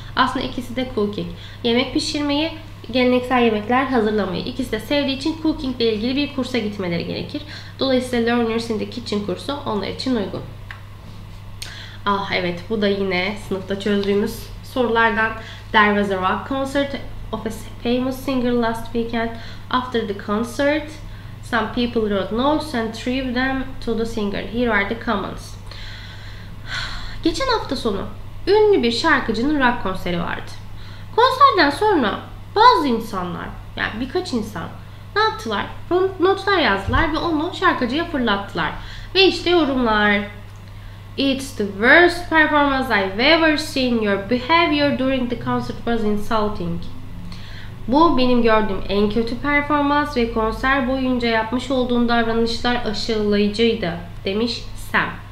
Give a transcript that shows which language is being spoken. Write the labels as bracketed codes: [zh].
[tr] Aslında ikisi de cooking. Yemek pişirmeyi, geleneksel yemekler hazırlamayı. İkisi de sevdiği için cooking ile ilgili bir kursa gitmeleri gerekir. Dolayısıyla Learners in the Kitchen kursu onlar için uygun. Ah evet, bu da yine sınıfta çözdüğümüz sorulardan. [en] There was a rock concert of a famous singer last weekend. After the concert, some people wrote notes and threw them to the singer. Here are the comments. [tr] Geçen hafta sonu ünlü bir şarkıcının rock konseri vardı. Konserden sonra bazı insanlar, yani birkaç insan ne yaptılar? Notlar yazdılar ve onu şarkıcıya fırlattılar. Ve işte yorumlar. [en] It's the worst performance I've ever seen. Your behavior during the concert was insulting. [tr] Bu benim gördüğüm en kötü performans ve konser boyunca yapmış olduğun davranışlar aşağılayıcıydı demiş Sam.